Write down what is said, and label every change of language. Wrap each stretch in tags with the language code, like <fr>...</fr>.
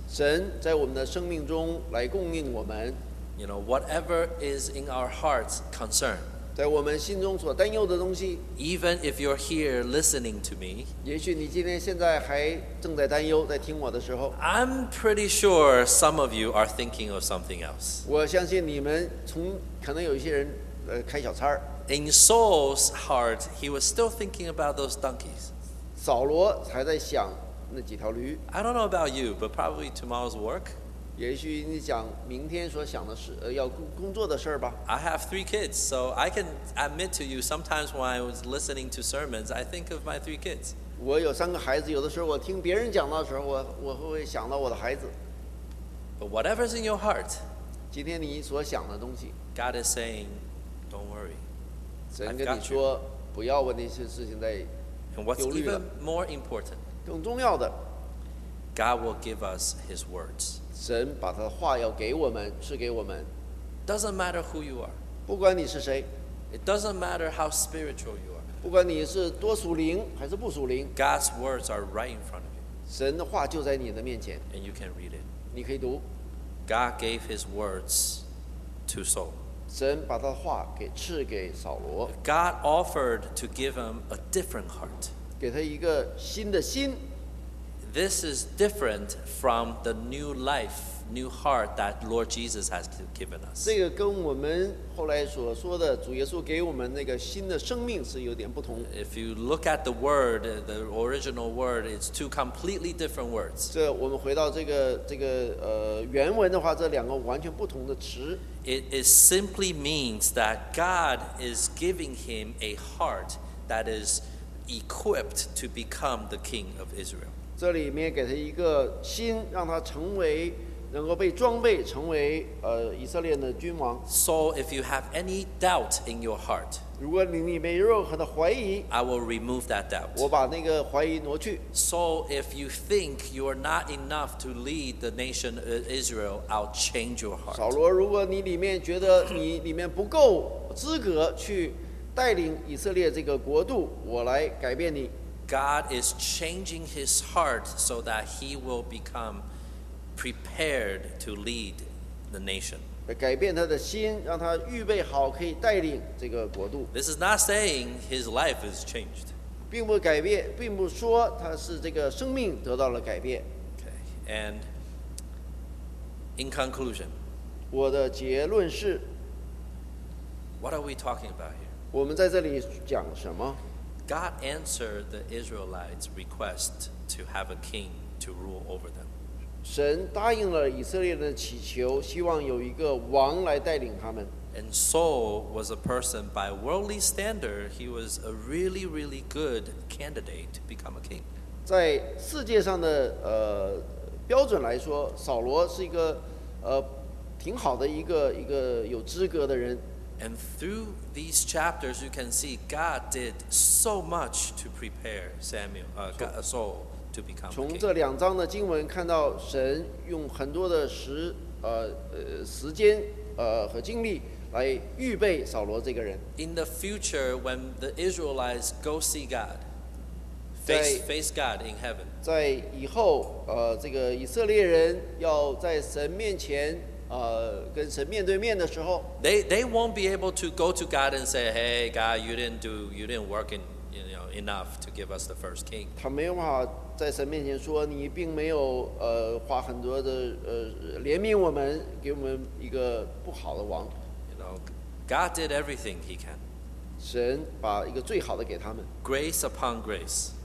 <zh>神在我们的生命中来供应我们。</zh> <en>You know, whatever is in our heart's concern.</en> <zh>在我们心中所担忧的东西。</zh> <en>Even if you're here listening to me.</en> <zh>也许你今天现在还正在担忧，在听我的时候。</zh> <en>I'm pretty sure some of you are thinking of something else.</en> <zh>我相信你们从可能有一些人开小差。</zh> <en>In Saul's heart, he was still thinking about those donkeys.</en> <zh>扫罗还在想那几条驴。</zh> <en>I don't know about you, but probably tomorrow's work.</en> <zh>也许你想明天所想的事，要工作的事吧。</zh> <en>I have three kids, so I can admit to you, sometimes when I was listening to sermons, I think of my three kids.</en> <zh>我有三个孩子，有的时候我听别人讲的时候，我会想到我的孩子。</zh> <en>But whatever's in your heart,</en> <zh>今天你所想的东西，</zh> <en>God is saying, don't worry.</en> <zh>神跟你说，不要为那些事情在</zh> <en>And what's even more important,</en> <zh>更重要的，</zh> <en>God will give us his words.</en> <zh>神把他的话要给我们，是给我们。</zh> <en>Doesn't matter who you are.</en> <zh>不管你是谁。</zh> <en>It doesn't matter how spiritual you are.</en> <zh>不管你是多属灵还是不属灵。</zh> <en>God's words are right in front of you.</en> <zh>神的话就在你的面前。</zh> <en>And you can read it.</en> <zh>你可以读。</zh> <en>God gave his words to Saul.</en> <zh>神把他的话给赐给扫罗。</zh> <en>God offered to give him a different heart.</en> <zh>给他一个新的心。</zh> <en>This is different from the new life, new heart that Lord Jesus has given us.</en> <zh>这个跟我们后来所说的主耶稣给我们那个新的生命是有点不同。</zh> <en>If you look at the word, the original word, it's two completely different words.</en> <zh>这我们回到这个原文的话，这两个完全不同的词。</zh> <en>It simply means that God is giving him a heart that is equipped to become the king of Israel.</en> <zh>这里面给他一个心，让他成为能够被装备成为以色列的君王。</zh> <en>So if you have any doubt in your heart,</en> <zh>如果你里面有任何的怀疑，</zh> <en>I will remove that doubt.</en> <zh>我把那个怀疑挪去。</zh> <en>So if you think you are not enough to lead the nation of Israel, I'll change your heart.</en> <zh>扫罗，如果你里面觉得你里面不够资格去带领以色列这个国度，我来改变你。</zh> <en>God is changing his heart so that he will becomeprepared to lead the nation.</en> <zh>改变他的心，让他预备好可以带领这个国度。</zh> <en>This is not saying his life is changed.</en> <zh>并不说他是这个生命得到了改变。</zh> <en>Okay. And in conclusion,</en> <zh>我的结论是，</zh> <en>What are we talking about here?</en> <zh>我们在这里讲什么？</zh> <en>God answered the Israelites' request to have a king to rule over them.</en> <zh>神答应了以色列人的祈求，希望有一个王来带领他们。</zh> <en>And Saul was a person by worldly standard, he was a really, really good candidate to become a king.</en> <zh>在世界上的标准来说，扫罗是一个挺好的一个有资格的人。</zh> <en>And through these chapters, you can see God did so much to prepare Saul.</en> <zh>从这两章的经文看到，神用很多的时间和精力来预备扫罗这个人。</zh> <en>In the future, when the Israelites go see God, face God in heaven,</en> <zh>在以后这个以色列人要在神面前跟神面对面的时候，</zh> <en>they won't be able to go to God and say, "Hey, God, you didn't work in." Enough to give us the first king.</en> <zh>他没有办法在神面前说你并没有花很多的怜悯我们，给我们一个不好的王。</zh> <en>You know, God did everything He can.</en> <zh>神把一个最好的给他们。</zh> <en>Grace upon grace.</en>